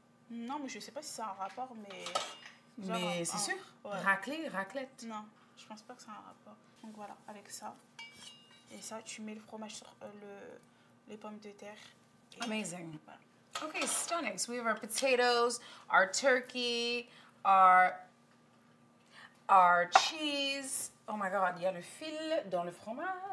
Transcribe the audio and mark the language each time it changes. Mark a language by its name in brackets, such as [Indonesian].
[French] Non, mais je sais pas si c'est un rapport, mais. Genre, mais c'est sûr, ouais. Racler, raclette. Non, je pense pas que ça a un rapport. Donc voilà, avec ça. Et ça, tu mets le fromage sur les pommes de terre. [English] Amazing. [French] Voilà. [English] Okay, stunning. So we have our potatoes, our turkey, our cheese. Oh my God, [French] il y a le fil dans le fromage.